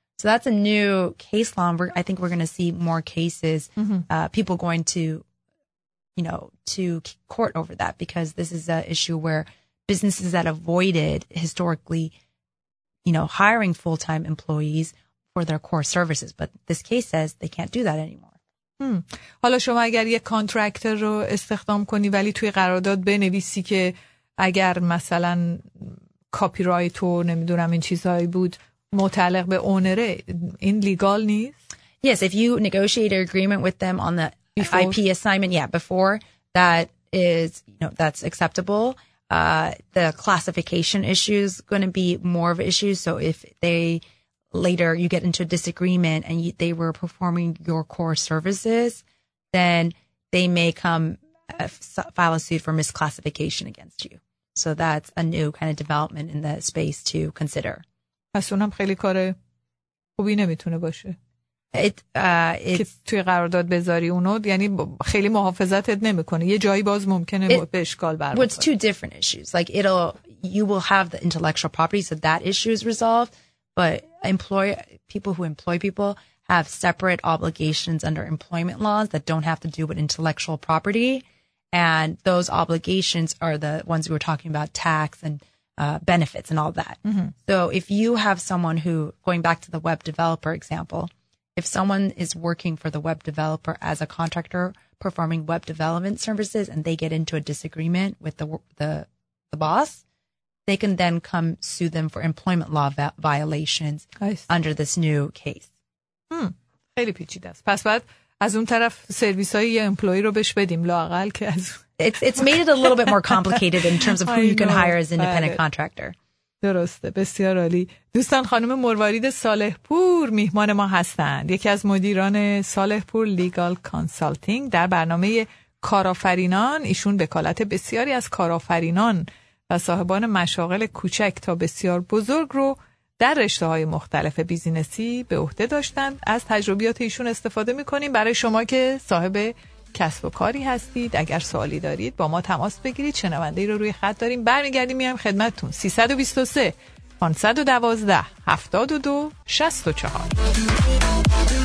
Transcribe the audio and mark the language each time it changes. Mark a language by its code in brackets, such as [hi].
[en] So that's a new case law. I think we're going to see more cases, people going to, you know, to court over that because this is an issue where businesses that avoided historically, you know, hiring full-time employees for their core services. But this case says they can't do that anymore. Hmm. [fa] حالا شما اگر یک کانترکتر رو استخدام کنی ولی توی قرارداد بنویسی که اگر مثلا کپی رایت و نمیدونم این چیزهایی بود متعلق به اونره این لیگال نیست؟ [en] Yes, if you negotiate an agreement with them on the before. IP assignment, yeah, before, that is, you know, that's acceptable. The classification issue is going to be more of an issue. So if they later you get into a disagreement and they were performing your core services, then they may come file a suit for misclassification against you. So that's a new kind of development in the space to consider. [fa] اصلاً خیلی کار خوبی نمیتونه باشه. [en] It's [fa] توی قرارداد بذاری اونو یعنی خیلی محافظتت نمیکنه یه جایی باز ممکنه به اشکال برخورد. [en] It's two different issues. Like it'll you will have the intellectual property so that issue is resolved, but people who employ people have separate obligations under employment laws that don't have to do with intellectual property and those obligations are the ones we were talking about tax and benefits and all that. So if you have someone who going back to the web developer example, if someone is working for the web developer as a contractor performing web development services and they get into a disagreement with the boss, they can then come sue them for employment law violations under this new case. [fa] خیلی پیچیده است. پس بعد از اون طرف سرویس‌های یه امپلوی رو بهش بدیم لااقل که از [en] It's made it a little bit more complicated in terms of who you can hire as an independent contractor. [fa] درسته بسیار عالی دوستان خانم مروارید صالح‌پور میهمان ما هستند یکی از مدیران صالح‌پور لیگال کانسالتینگ در برنامه کارآفرینان ایشون وکالت بسیاری از کارآفرینان و صاحبان مشاغل کوچک تا بسیار بزرگ رو در رشته‌های مختلف بیزینسی به عهده داشتند از تجربیات ایشون استفاده می‌کنیم برای شما که صاحب کسب و کاری هستید اگر سوالی دارید با ما تماس بگیرید شنونده ای رو روی خط داریم برمیگردیم میام خدمتتون 323 512 72 64